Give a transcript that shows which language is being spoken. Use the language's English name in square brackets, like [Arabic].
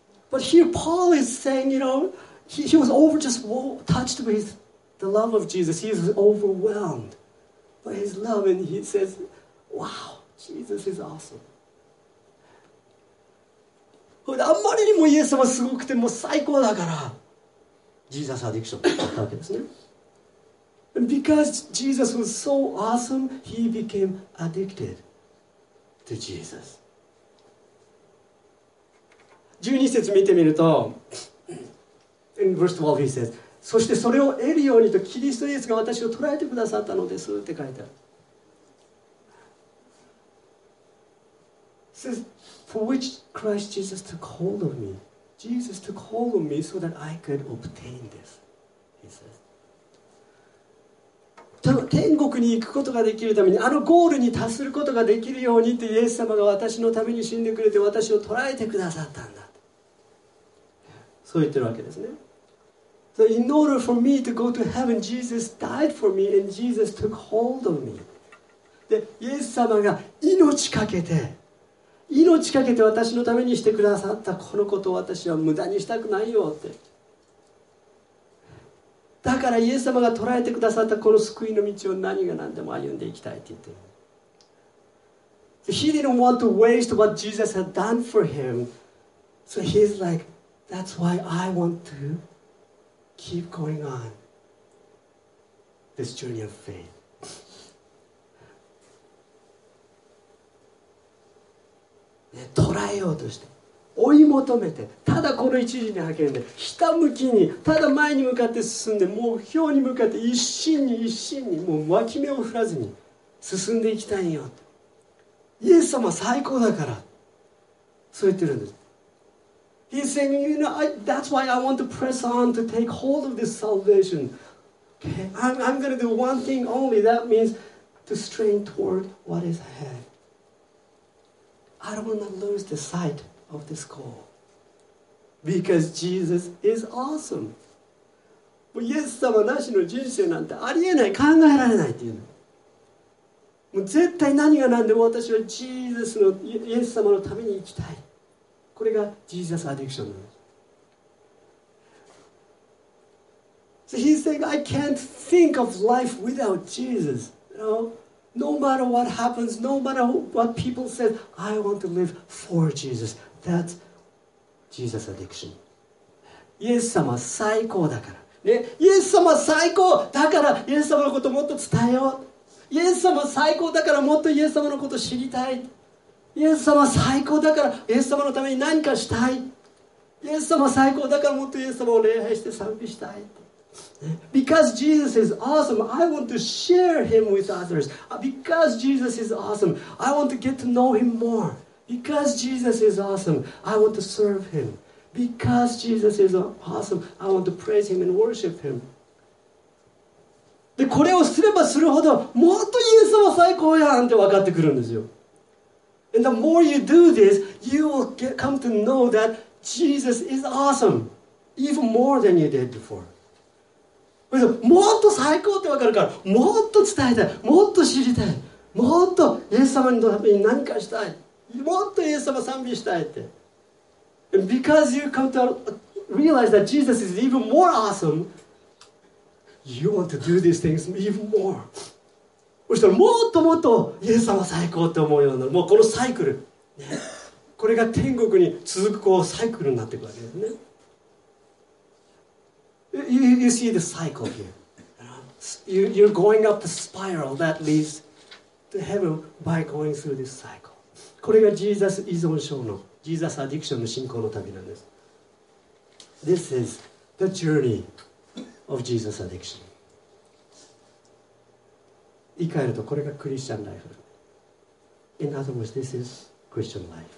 [English] But here Paul is saying, you know, he was over just touched with the love of Jesus. He is overwhelmed by his love. And he says, wow, Jesus is awesome. [Japanese] あんまりにもイエス様すごくてもう最高だから、 [English] Jesus addiction [Japanese] だったわけですね。 [English] And because Jesus was so awesome, he became addicted to Jesus. [Japanese] 12節見てみると、 [English] in verse 12 he says, [Japanese] そしてそれを得るようにとキリストイエスが私を捉えてくださったのですって書いてある。 [English] It says, for which Christ Jesus took hold of me. Jesus took hold of me so that I could obtain this. He says, [Japanese] 天国に行くことができるために、あのゴールに達することができるようにってイエス様が私のために死んでくれて私を捉えてくださったんだ。そう言ってるわけですね。 [English] So in order for me to go to heaven, Jesus died for me and Jesus took hold of me. [Japanese] で、イエス様が命かけて私のためにしてくださったこのことを私は無駄にしたくないよって。だからイエス様が捉えてくださったこの救いの道を何が何でも歩んでいきたいって言ってる。 [English] So、he didn't want to waste what Jesus had done for him. So he's like,That's why I want to keep going on this journey of faith. [Japanese] ね、捉えようとして、追い求めて、ただこの一時に励んで、ひたむきに、ただ前に向かって進んで、目標に向かって一心に、もう脇目を振らずに進んでいきたいよ。イエス様最高だから、そう言ってるんです。 [English] He's saying, you know, that's why I want to press on to take hold of this salvation. Okay, I'm going to do one thing only. That means to strain toward what is ahead. I don't want to lose the sight of this goal. Because Jesus is awesome. [Japanese] もうイエス様なしの人生なんてありえない、考えられないっていうの。もう絶対何が何でも私はジーザスのイエス様のために生きたい。これがジーザスアディクションです。 [English] So he's saying, I can't think of life without Jesus. You know, no matter what happens, no matter what people say, I want to live for Jesus. That's Jesus addiction. [Japanese] イエス様最高だから。ね、イエス様最高だからイエス様のこともっと伝えよう。イエス様最高だからもっとイエス様のこと知りたい。イエス様最高だからイエス様のために何かしたい。イエス様最高だからもっとイエス様を礼拝して賛美したい。 [English] Because Jesus is awesome, I want to share him with others. Because Jesus is awesome, I want to get to know him more. Because Jesus is awesome, I want to serve him. Because Jesus is awesome, I want to praise him and worship him. [Japanese] で、これをすればするほどもっとイエス様最高やんって分かってくるんですよ。 [English] And the more you do this, you will come to know that Jesus is awesome, even more than you did before. [Japanese] もっと最高ってわかるから、もっと伝えたい、もっと知りたい、もっとイエス様のために何かしたい、もっとイエス様賛美したいって。 [English] And because you come to realize that Jesus is even more awesome, you want to do these things even more. [Japanese] そしたらもっともっとイエス様最高って思うようになる。もうこのサイクル、ね、これが天国に続くこうサイクルになっていくわけですね。 [English] You see the cycle here. You're going up the spiral that leads to heaven by going through this cycle. [Japanese] これがジーザス依存症の、ジーザスアディクションの信仰の旅なんです。 [English] This is the journey of Jesus addiction. [Japanese] 言い換えると、これがクリスチャンライフ。 [English] In other words, this is Christian life.